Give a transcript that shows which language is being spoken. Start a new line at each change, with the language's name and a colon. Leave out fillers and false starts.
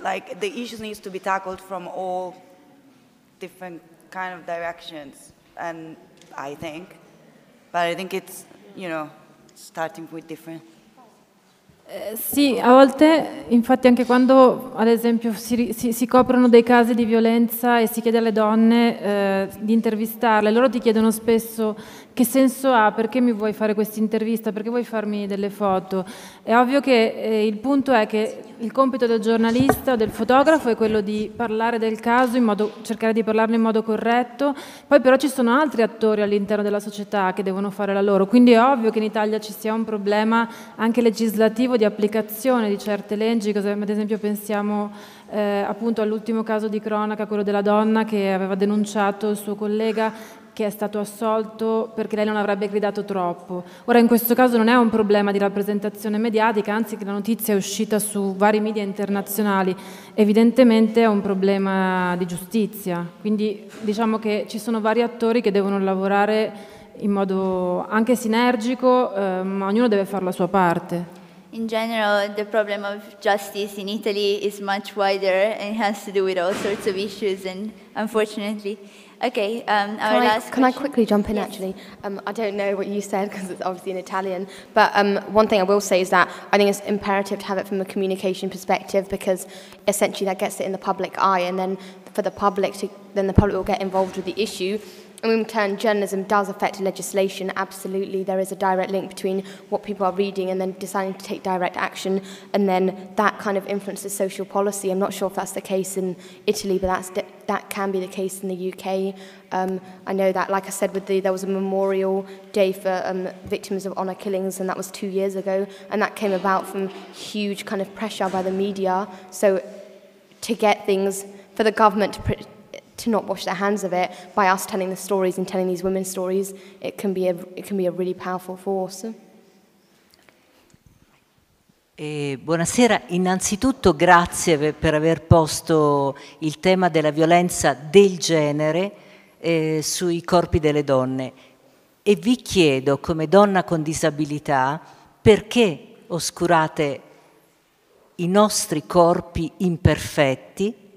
English: Like the issue needs to be tackled from all different kind of directions, and I think it's starting with different
Italian: Sì, a volte, infatti, anche quando, ad esempio, si coprono dei casi di violenza e si chiede alle donne di intervistarle, loro ti chiedono spesso che senso ha, perché mi vuoi fare questa intervista, perché vuoi farmi delle foto. È ovvio che il punto è che il compito del giornalista o del fotografo è quello di parlare del caso, in modo, cercare di parlarne in modo corretto, poi però ci sono altri attori all'interno della società che devono fare la loro, quindi è ovvio che in Italia ci sia un problema anche legislativo di applicazione di certe leggi, ad esempio pensiamo appunto all'ultimo caso di cronaca, quello della donna che aveva denunciato il suo collega che è stato assolto perché lei non avrebbe gridato troppo. Ora, in questo caso non è un problema di rappresentazione mediatica, anzi che la notizia è uscita su vari media internazionali, evidentemente è un problema di giustizia. Quindi diciamo che ci sono vari attori che devono lavorare in modo anche sinergico, ma ognuno deve fare la sua parte.
English: In general, the problem of justice in Italy is much wider and has to do with all sorts of issues and unfortunately. Okay, can I quickly jump in, yes. Actually? I don't know what you said because it's obviously in Italian, but one thing I will say is that I think it's imperative to have it from a communication perspective because essentially that gets it in the public eye, and then the public will get involved with the issue. And in turn, journalism does affect legislation. Absolutely, there is a direct link between what people are reading and then deciding to take direct action, and then that kind of influences social policy. I'm not sure if that's the case in Italy, but that can be the case in the UK. I know that, like I said, there was a Memorial Day for victims of honour killings, and that was 2 years ago, and that came about from huge kind of pressure by the media. So to get things for the government to not wash their hands of it by us telling the stories and telling these women's stories, it can be a really powerful force.
Italian: Buonasera, innanzitutto grazie per aver posto il tema della violenza del genere sui corpi delle donne. E vi chiedo, come donna con disabilità, perché oscurate i nostri corpi imperfetti?